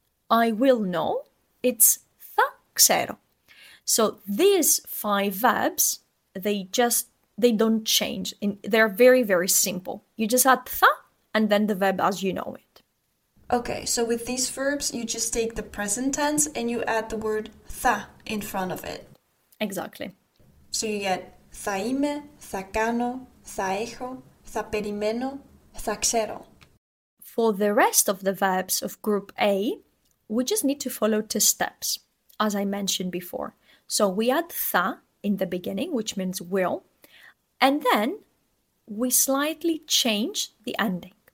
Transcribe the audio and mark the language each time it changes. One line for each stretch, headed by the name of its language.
English: I will know, it's
Greek: θα ξέρω.
English: So these five verbs, they don't change. They're very, very simple. You just add θα and then the verb as you know it. Okay, so with these verbs, you just take the present tense and you add the word θα in front of it. Exactly. So you get
Greek: θα είμαι, θα κάνω, θα έχω, θα περιμένω, θα ξέρω.
English: For the rest of the verbs of group A, we just need to follow two steps, as I mentioned before. So we add θα in the beginning, which means will, and then we slightly change the ending.